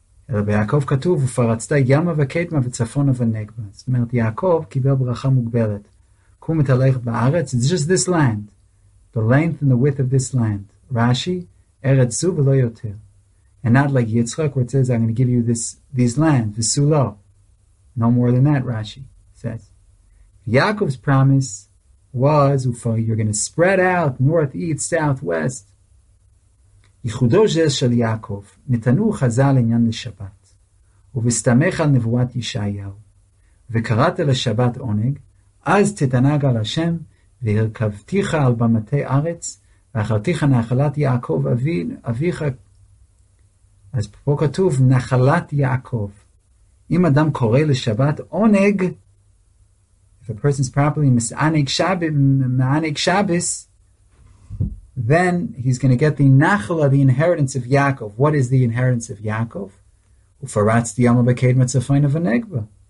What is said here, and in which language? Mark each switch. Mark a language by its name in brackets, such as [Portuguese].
[Hebrew] אלא ביעקב כתוב, ופרצת ימה וקדמה וצפונה ונגבה. זאת אומרת, יעקב קיבל ברכה מוגבלת. קום ותלך בארץ, [English] it's just this land. The length and the width of this land. [Hebrew] Rashi, ארץ זו ולא יותר. [English] And not like Yitzchak, where it says, I'm going to give you these land, וסולו. No more than that, Rashi says. Yaakov's promise was, you're going to spread out north, east, south, west. [Hebrew] ייחודו זה של יעקב, נתנו חז"ל עניין לשבת, ובסתמך על נבואת ישעיהו, וקראת לשבת עונג, אז תתענג על השם, והרכבתיך על במתי ארץ, ואחרתיך נחלת יעקב אביך. אז פה כתוב, נחלת יעקב. אם אדם קורא לשבת עונג, [English] if a person is properly מענג שבס, then he's going to get the nachla, the inheritance of Yaakov. What is the inheritance of Yaakov? Ufaratz diyama b'keid metzafayna v'negba.